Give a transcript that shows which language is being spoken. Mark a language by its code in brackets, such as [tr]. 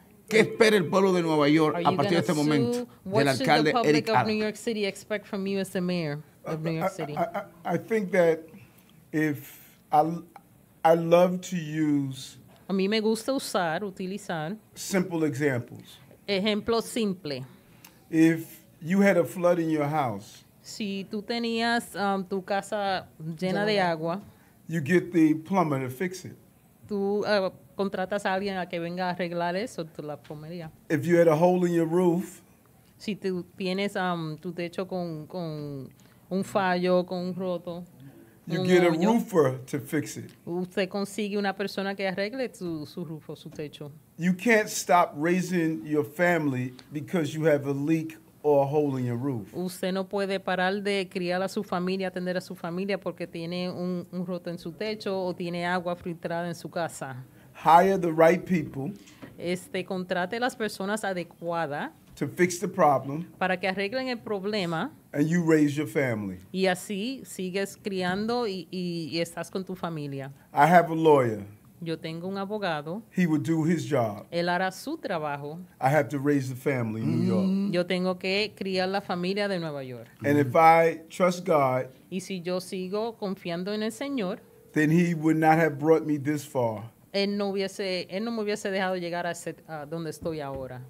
[es] ¿Qué espera el pueblo de Nueva York a partir de este momento del alcalde Eric Adams? [en] What should the public of New York City expect from you as the mayor of New York City? I think that if I love to use [es] a mí me gusta usar, utilizar [en] simple examples. [es] Ejemplo simple. [en] If you had a flood in your house, [es] si tú tenías tu casa llena de agua, [en] you get the plumber to fix it. [es] Tú contratas a alguien a que venga a arreglar eso, tu la plomería. [en] If you had a hole in your roof, [es] si tú tienes tu techo con un fallo, con un roto, [en] you get a roofer to fix it. [es] Usted consigue una persona que arregle su roof o su techo. [en] You can't stop raising your family because you have a leak or a hole in your roof. [es] Usted no puede parar de criar a su familia, atender a su familia porque tiene un roto en su techo o tiene agua filtrada en su casa. [en] Hire the right people. [es] Contrate las personas adecuadas. [en] To fix the problem. [es] Para que arreglen el problema. [en] And you raise your family. [es] Y así sigues criando y estás con tu familia. [en] I have a lawyer. [es] Yo tengo un abogado. [en] He will do his job. [es] Él hará su trabajo. [en] I have to raise the family in New York. [es] Yo tengo que criar la familia de Nueva York. [en] And if I trust God. [es] Y si yo sigo confiando en el Señor. [en] Then he would not have brought me this far. [es] Él no me hubiese dejado llegar a donde estoy ahora.